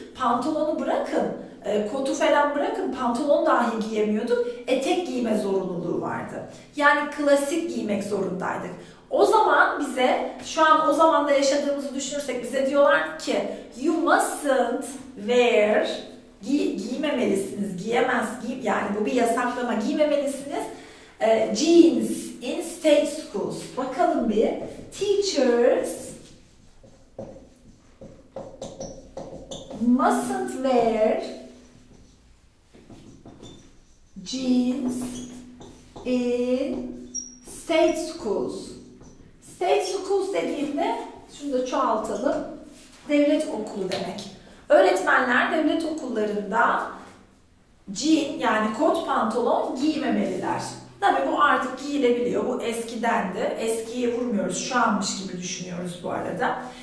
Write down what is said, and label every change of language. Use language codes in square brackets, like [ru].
[tr] Pantolonu bırakın, kotu falan bırakın, pantolon dahi giyemiyorduk. Etek giyme zorunluluğu vardı. Yani klasik giymek zorundaydık. O zaman bize, şu an o zamanda yaşadığımızı düşünürsek bize diyorlar ki [en] you mustn't wear, [tr] giymemelisiniz, yani bu bir yasaklama, giymemelisiniz [en] jeans in state schools. [tr] Bakalım bir, [en] teachers mustn't wear jeans in state schools. [tr] State schools dediğimde, şunu da çoğaltalım, devlet okulu demek. Öğretmenler devlet okullarında jean yani kot pantolon giymemeliler. Tabii bu artık giyilebiliyor, bu eskidendi. Eskiye vurmuyoruz, şu anmış gibi düşünüyoruz bu arada.